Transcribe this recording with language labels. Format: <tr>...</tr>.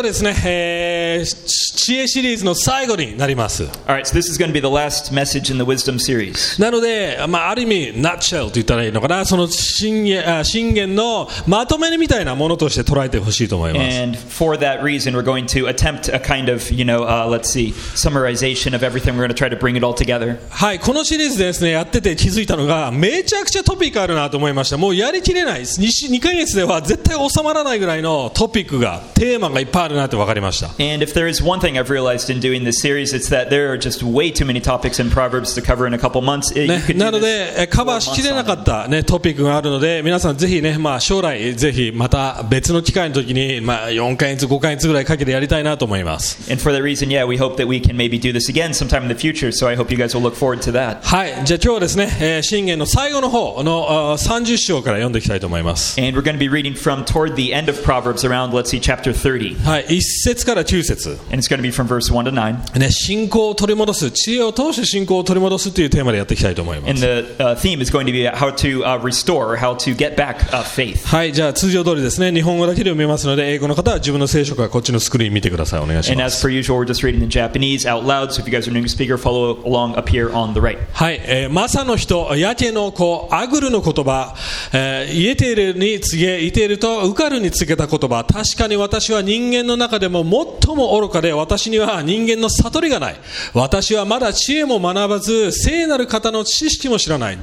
<ja>ですね、知恵シリーズの最後になります。</ja> <en>Alright, so this is going to be the last message in the wisdom series.</en> <ja>なので、まあ、ある意味、nutshell と言ったらいいのかな、その箴言のまとめみたいなものとして捉えてほしいと思います。</ja> <en>And for that reason, we're going to attempt a kind of, you know, let's see, summarization of everything. We're going to try to bring it all together.</en> <ja>はい、このシリーズですね、やってて気づいたのが、めちゃくちゃトピックあるなと思いました。もうやりきれないです。2ヶ月では絶対収まらないぐらいのトピックが、テーマがいっぱい。</ja> <en>And if there is one thing I've realized in doing this series, it's that there are just way too many topics in Proverbs to cover in a couple months.</en> <ja>ね、なので、カバーしきれなかったね、トピックがあるので、皆さんぜひね、まあ将来ぜひまた別の機会の時に、まあ4ヶ月、5ヶ月ぐらいかけてやりたいなと思います。</ja> <en>And for that reason, yeah, we hope that we can maybe do this again sometime in the future. So I hope you guys will look forward to that.</en> <ja>はい、じゃあ今日はですね、箴言の最後の方の30章から読んでいきたいと思います。</ja> <en>And we're going to be reading from toward the end of Proverbs, around let's see, chapter 30.</en> <ja>はい、1節から9節。</ja> <en>And it's going to be from verse 1 to 9.</en> <ja>信仰を取り戻す、知恵を通して信仰を取り戻すというテーマでやっていきたいと思います。</ja> <en>And the theme is going to be how to restore, how to get back faith.</en> <ja>はい、じゃあ通常通りですね、日本語だけで読みますので、英語の方は自分の聖書からこっちのスクリーン見てください。お願いします。</ja> <en>And as per usual, we're just reading in Japanese out loud, so if you guys are an English speaker, follow along up here on the right.</en> <ja>はい、マサの人、ヤケの子、アグルの言葉、イテルに告げ、イテルとウカルに告げた言葉、確かに私は人間の中でも最も愚かで、私には人間の悟りがない。私はまだ知恵も学ばず、聖なる方の知識も知らない。</ja>